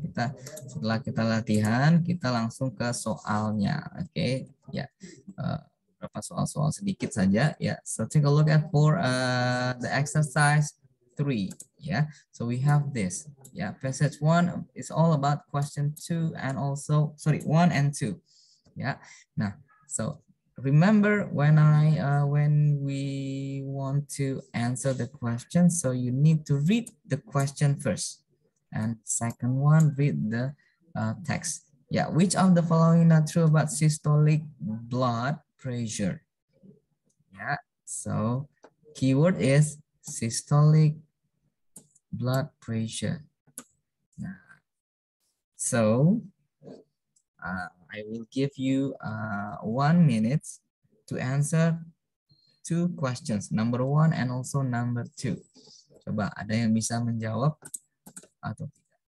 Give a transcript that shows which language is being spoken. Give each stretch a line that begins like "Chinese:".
Indonesian: Kita setelah kita latihan, kita langsung ke soalnya. Okay, ya. Berapa soal-soal sedikit saja ya.
English: So take a look at for the exercise 3 ya. So we have this. Ya, passage 1 is all about question 2 and also sorry, 1 and 2. Ya. Nah, so remember when we want to answer the question, so you need to read the question first and second one read the text. Ya, which of the following not true about systolic blood pressure. Yeah. So keyword is systolic blood pressure. So I will give you 1 minute to answer 2 questions, number 1 and also number 2.
Indonesian: Coba ada yang bisa menjawab atau tidak?